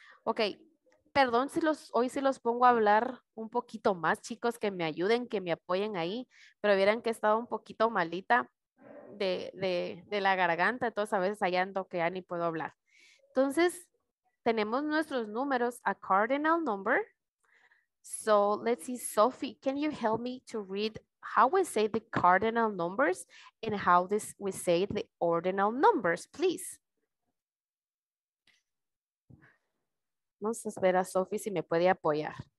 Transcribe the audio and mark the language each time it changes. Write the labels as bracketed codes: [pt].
[es] Ok, perdón si los, hoy sí los pongo a hablar un poquito más, chicos, que me ayuden, que me apoyen ahí, pero vieran que he estado un poquito malita de la garganta, entonces a veces allá ando que ya ni puedo hablar. Entonces, tenemos nuestros números, [en] a cardinal number. So, let's see, Sophie, can you help me to read how we say the cardinal numbers and how this we say the ordinal numbers, please? [es] Vamos a esperar a Sophie si me puede apoyar.